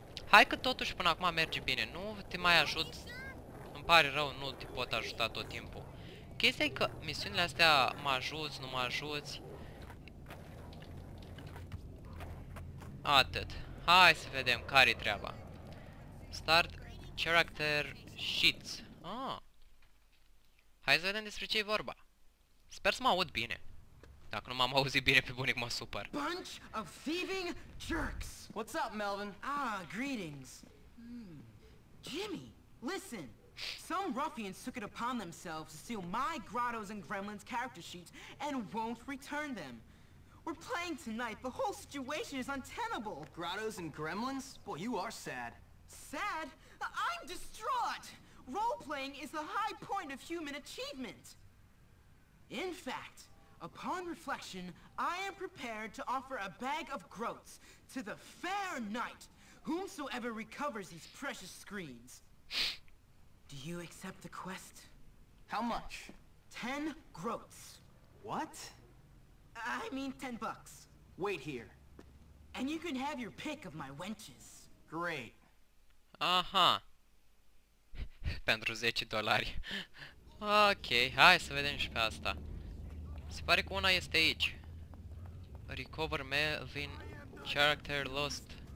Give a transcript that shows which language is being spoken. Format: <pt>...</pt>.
<ro>Hai că totuși până acum merge bine. Nu te mai ajut. Îmi pare rău, nu te pot ajuta tot timpul. Chestia e că misiunile astea mă ajuți, nu mă ajuți. Atât. Hai să vedem care-i treaba.</ro> <en>Start character sheets.</en> <ro>Hai să vedem despre ce e vorba. Sper să mă aud bine. Dacă nu m-am auzit bine, pe bunic mă supăr.</ro> <en>Bunch of thieving jerks. What's up, Melvin? Greetings. Jimmy, listen. Some ruffians took it upon themselves to steal my Grottos and Gremlins character sheets and won't return them. We're playing tonight. The whole situation is untenable. Grottos and Gremlins? Boy, you are sad. Sad? I'm distraught. Role-playing is the high point of human achievement. In fact, upon reflection, I am prepared to offer a bag of groats to the fair knight whomsoever recovers these precious screens. Do you accept the quest? How much? 10 groats. What? I mean 10 bucks. Wait here. And you can have your pick of my wenches. Great.</en> <ro>Uh-huh. Pentru 10 dolari. Ok, hai să vedem și pe asta. Se pare că una este aici.</ro> <en>Recover Melvin character lost.</en>